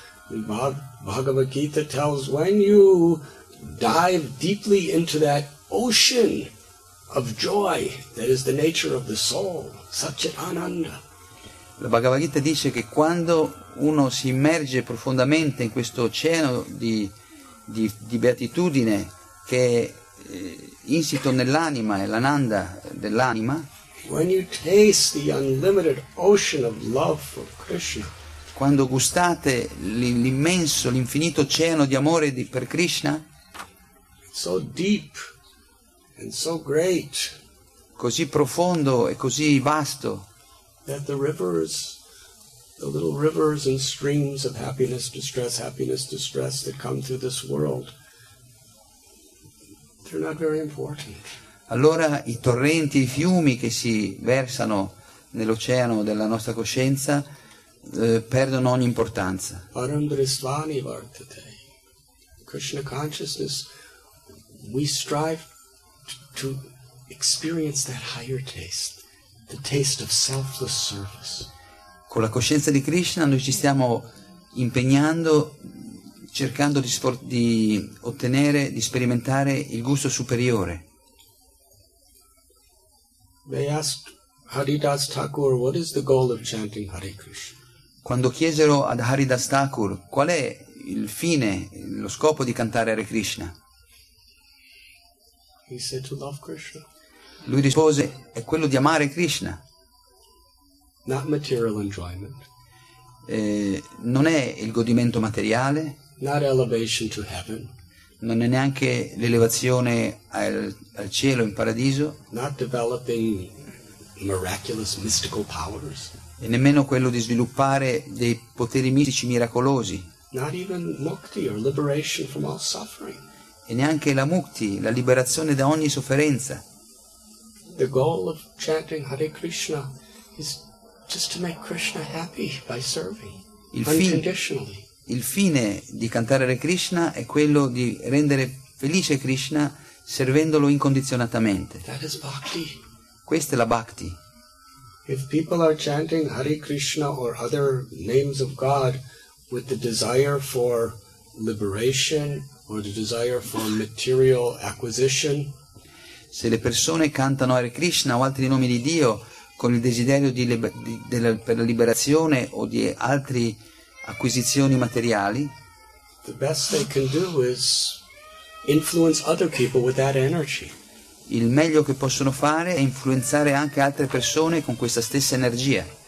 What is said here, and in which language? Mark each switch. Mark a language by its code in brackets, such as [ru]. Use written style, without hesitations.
[en] Bhagavad Gita tells when you dive deeply into that ocean of joy that is the nature of the soul, Satchit Ananda. [it] La Bhagavad Gita dice che quando uno si immerge profondamente in questo oceano di beatitudine che è insito nell'anima, è l'ananda dell'anima, [en] when you taste the unlimited ocean of love for Krishna, [it] quando gustate l'immenso, l'infinito oceano di amore per Krishna, [en] so deep and so great, [it] così profondo e così vasto, [en] that the rivers, the little rivers and streams of happiness, distress that come through this world, they're not very important. [it] Allora i torrenti, i fiumi che si versano nell'oceano della nostra coscienza perdono ogni importanza. [sa] Arundrisvani vartate. [en] Krishna consciousness, we strive to experience that higher taste, the taste of selfless service. [it] Con la coscienza di Krishna noi ci stiamo impegnando, cercando di ottenere, di sperimentare il gusto superiore. [en] They asked Haridas Thakur, what is the goal of chanting Hare Krishna? [it] Quando chiesero ad Haridas Thakur qual è il fine, lo scopo di cantare Hare Krishna? [en] He said to love Krishna. [it] Lui rispose, è quello di amare Krishna. [en] Not material enjoyment. [it] Non è il godimento materiale. [en] Not elevation to heaven. [it] Non è neanche l'elevazione al cielo, in paradiso. [en] Not developing miraculous mystical powers. [it] E nemmeno quello di sviluppare dei poteri mistici miracolosi. [en] Not even mukti or liberation from all suffering. [it] E neanche la mukti, la liberazione da ogni sofferenza. [en] The goal of chanting Hare Krishna is just to make Krishna happy by serving unconditionally. [it] Il fine di cantare Hare Krishna è quello di rendere felice Krishna servendolo incondizionatamente. [en] That is bhakti. [it] Questa è la bhakti. [en] If people are chanting Hare Krishna or other names of God with the desire for liberation or the desire for material acquisition, [it] se le persone cantano Hare Krishna o altri nomi di Dio con il desiderio per la liberazione o di altre acquisizioni materiali, [en] the best they can do is influence other people with that energy. [it] Il meglio che possono fare è influenzare anche altre persone con questa stessa energia.